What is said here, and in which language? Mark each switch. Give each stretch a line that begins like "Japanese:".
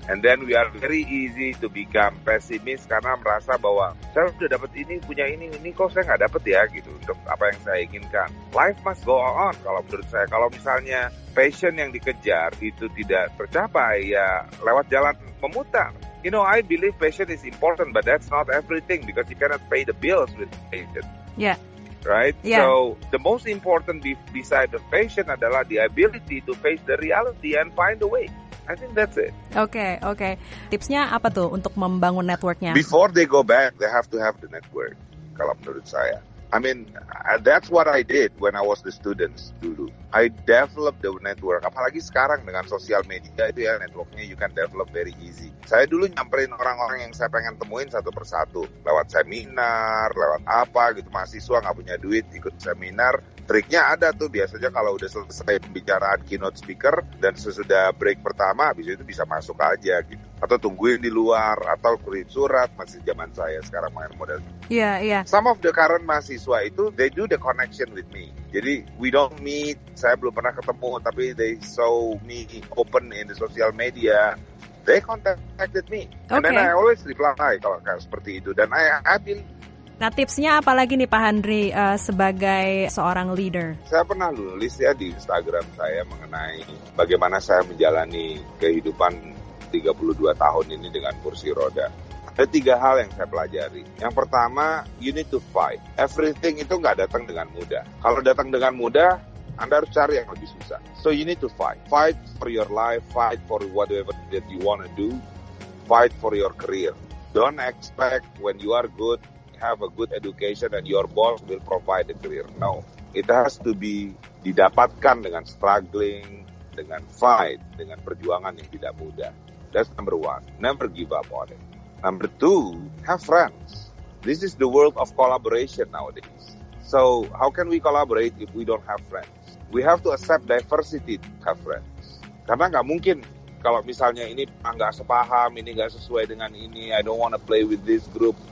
English: And then we are very easy to become pessimist
Indonesian: karena merasa bahwa saya sudah dapat ini, punya ini kok saya nggak dapat ya gitu untuk apa yang saya inginkan.
English: Life must go on
Indonesian: kalau menurut saya. Kalau misalnya passion yang dikejar itu tidak tercapai, ya lewat jalan memutar.
English: You know, I believe passion is important, but that's not everything because you cannot pay the bills with passion. Yeah. Right? Yeah. So, the most important beside the passion
Indonesian: adalah
English: the ability to face the reality and find a way. I think that's it. Okay.
Indonesian: Tipsnya apa tuh untuk membangun networknya?
English: Before they go back, they have to have the network,
Indonesian: kalau menurut saya.
English: I mean, that's what I did when I was the students
Indonesian: dulu.
English: I developed the network.
Indonesian: Apalagi sekarang dengan sosial media itu ya, networknya
English: you can develop very easy.
Indonesian: Saya dulu nyamperin orang-orang yang saya pengen temuin satu persatu. Lewat seminar, lewat apa gitu. Mahasiswa nggak punya duit ikut seminar. Triknya ada tuh, biasanya kalau udah selesai pembicaraan keynote speaker dan sesudah break pertama, abis itu bisa masuk aja gitu. Atau tungguin di luar, atau kirim surat, masih zaman saya sekarang main model. Iya.
English: Some of the current
Indonesian: mahasiswa itu,
English: they do the connection with me.
Indonesian: Jadi,
English: we don't meet,
Indonesian: saya belum pernah ketemu, tapi
English: they saw me open in the social media. They contacted me. Okay. And then I always reply
Indonesian: kalau kayak seperti itu. Dan
English: I feel...
Indonesian: Nah, tipsnya apa lagi nih Pak Handri sebagai seorang leader? Saya pernah nulis ya di Instagram saya mengenai bagaimana saya menjalani kehidupan 32 tahun ini dengan kursi roda. Ada tiga hal yang saya pelajari. Yang pertama,
English: you need to fight.
Indonesian: Everything itu nggak datang dengan mudah. Kalau datang dengan mudah, Anda harus cari yang lebih susah.
English: So you need to fight. Fight for your life, fight for whatever that you want to do. Fight for your career. Don't expect when you are good, have a good education and your boss will provide the career. No, it has to be
Indonesian: didapatkan dengan struggling, dengan fight, dengan perjuangan yang tidak mudah.
English: That's number one. Never give up on it. Number two, have friends. This is the world of collaboration nowadays. So how can we collaborate if we don't have friends? We have to accept diversity to have friends.
Indonesian: Karena nggak mungkin kalau misalnya ini nggak sepaham, ini nggak sesuai dengan ini,
English: I don't want to play with this group.